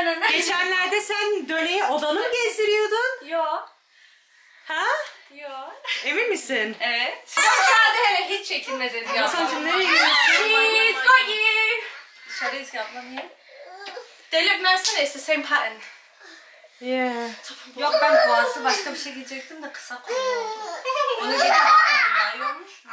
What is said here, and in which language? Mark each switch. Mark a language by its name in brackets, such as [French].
[Turkish] Geçenlerde sen döneyi odanı mı gezdiriyordun? Yok. Ha? Yok. Emin misin? Evet. Sen dışarıda hele hiç çekilmez Ezgi abla. Masancım nereye gidiyorsun? [English] Cheese cookie! [Turkish] Dışarıda Ezgi abla niye? [English] They look nice and it's the same pattern. Yeah. [Turkish] Yok, ben boğazı başka bir şey giyecektim de kısa koyuyordum. Onu giyecektim daha iyi olmuş.